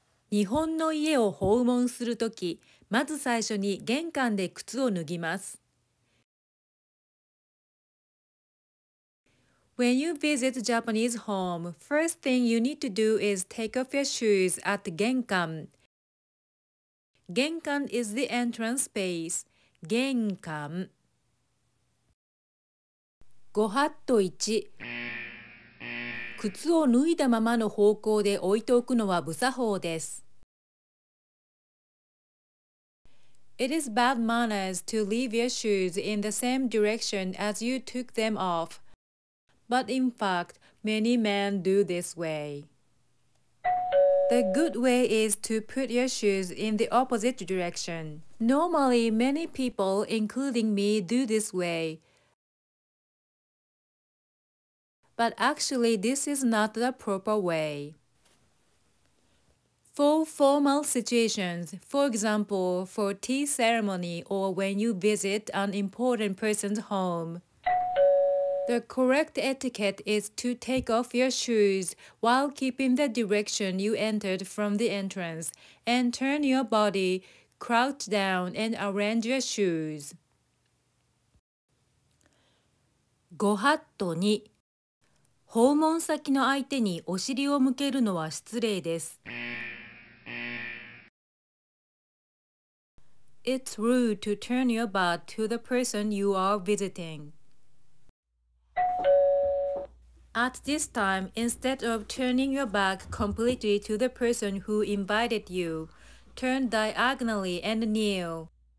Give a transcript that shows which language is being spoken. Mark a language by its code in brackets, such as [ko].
[ja] 日本の家を訪問するとき、まず最初に玄関で靴を脱ぎます。 [en] When you visit Japanese home, first thing you need to do is take off your shoes at genkan. Genkan is the entrance space. Genkan. Gohatto 1. [ja] 靴を脱いだままの方向で置いておくのは不作法です。 [en] It is bad manners to leave your shoes in the same direction as you took them off. But in fact, many men do this way. The good way is to put your shoes in the opposite direction. Normally, many people, including me, do this way. But actually, this is not the proper way. For formal situations, for example, for tea ceremony or when you visit an important person's home,The correct etiquette is to take off your shoes while keeping the direction you entered from the entrance and turn your body, crouch down and arrange your shoes. [ja] ごはっと2訪問先の相手にお尻を向けるのは失礼です。 [en] It's rude to turn your back to the person you are visiting. At this time, instead of turning your back completely to the person who invited you, turn diagonally and kneel.